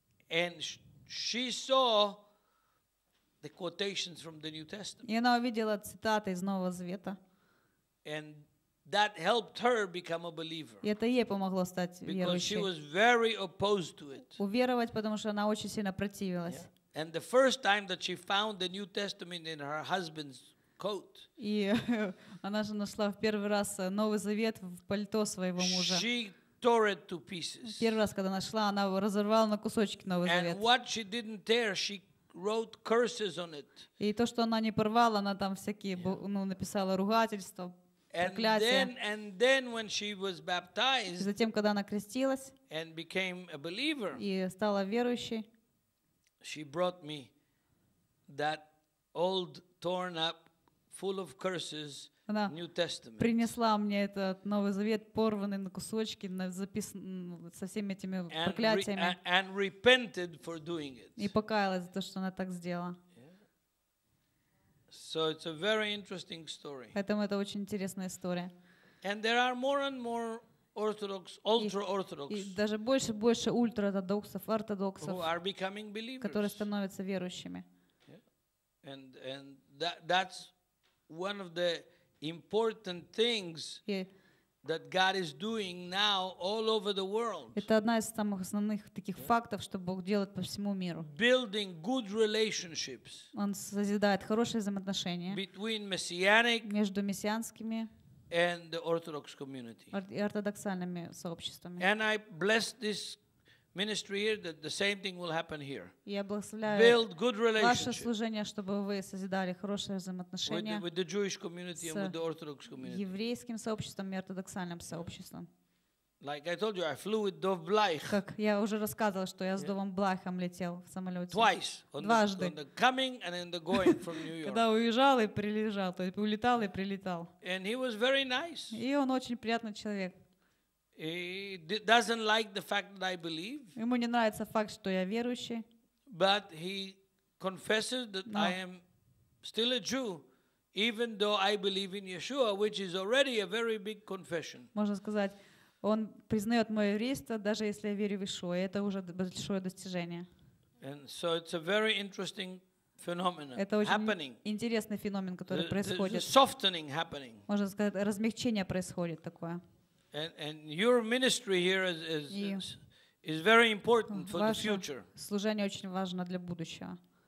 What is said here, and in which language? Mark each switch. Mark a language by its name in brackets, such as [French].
[English] And she saw the quotations from the New Testament. [Russian] И она увидела цитаты из Нового Завета. [English] And that helped her become a believer. [Russian] Это ей помогло стать верующей. [English] Because she was very opposed to it. [Russian] Уверовать, потому что она очень сильно противилась. [English] Yeah. And the first time that she found the New Testament in her husband's coat. [Russian] И она же нашла в первый раз Новый Завет в пальто своего мужа. [English] She tore it to pieces. [Russian] Первый раз, когда нашла, она разорвала на кусочки Новый Завет. [English] And what she didn't tear, she wrote curses on it. [Russian] И то, что она не порвала, она там всякие, написала ругательства, проклятия. [English] And then when she was baptized, [Russian] затем, когда она крестилась, [English] and became a believer, [Russian] и стала верующей, [English] she brought me that old, torn up, full of curses, New Testament. [Russian] Она принесла мне этот Новый Завет, порванный на кусочки, записанный со всеми этими проклятиями. [English] And repented for doing it. [Russian] И покаялась за то, что она так сделала. [English] So it's a very interesting story. [Russian] Поэтому это очень интересная история. [English] And there are more and more Orthodox, ultra-Orthodox. [Russian] И даже больше и больше ортодоксов, [English] who are becoming believers. [Russian] Которые становятся верующими. [English] And that's one of the important things that God is doing now all over the world. [Russian] Это одна из самых основных таких фактов, что Бог делает по всему миру. [English] Building good relationships. [Russian] Он созидает хорошие взаимоотношения [English] between messianic [Russian] между мессианскими [English] and the orthodox community. [Russian] И ортодоксальными сообществами. [English] And I bless this ministry here that the same thing will happen here. [Russian] Я благословляю. [English] Build good relationships. [Russian] Ваше служение, чтобы вы созидали хорошие взаимоотношения [English] with the Jewish community and with the Orthodox community. [Russian] Еврейским сообществом и ортодоксальным сообществом. [English] Like I told you, I flew with Dov Blaich. [Russian] Как я уже рассказывал, что я с Довом Блайхом летел в самолете. [English] Twice. [Russian] Дважды. [English] On the coming and on the going from New York. [Russian] Когда уезжал и прилетал, то есть улетал и прилетал. [English] And he was very nice. [Russian] И он очень приятный человек. [English] He doesn't like the fact that I believe. [Russian] Ему не нравится факт, что я верующий. [English] But he confesses that I am still a Jew, even though I believe in Yeshua, which is already a very big confession. [Russian] Можно сказать. Он признает мое еврейство, даже если я верю в Ишуа, и это уже большое достижение. And so it's a very interesting phenomenon. Это очень [English] happening. [Russian] Интересный феномен, который происходит. [English] The softening happening. [Russian] Можно сказать, размягчение происходит такое. [English] And your ministry here is very important for the future. [Russian] Служение очень важно для будущего.